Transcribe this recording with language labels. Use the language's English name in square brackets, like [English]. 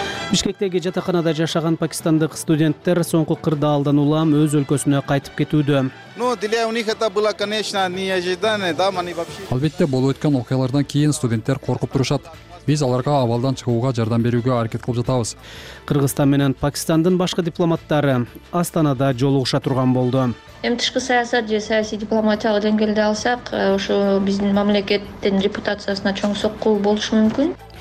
[Kyrgyz] Бишкектеги жатаканада жашаган пакистандык студенттер соңку кырдаалдан улам өз өлкөсүнө кайтып кетүүдө. [Russian] Ну, для них это было, конечно, неожиданно, да, они вообще. [Kyrgyz] Албетте, болуп өткөн окуялардан кийин студенттер коркуп турушат. Биз аларга абалдан чыгууга жардам берүүгө аракет кылып жатабыз. Кыргызстан менен Пакистандын башкы дипломаттары Астанада жолугуша турган болду. Эми тышкы саясат же саясий дипломатиялык деңгээлде алсак, ошо биздин мамлекеттин репутациясына чоң соккул болушу мүмкүн.